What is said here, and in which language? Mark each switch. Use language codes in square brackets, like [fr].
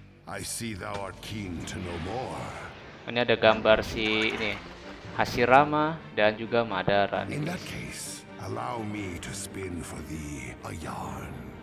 [en] I see thou art keen to know more. [id] Ini ada gambar si ini Hashirama dan juga Madara. [en] In that case, allow me to spin for thee a yarn.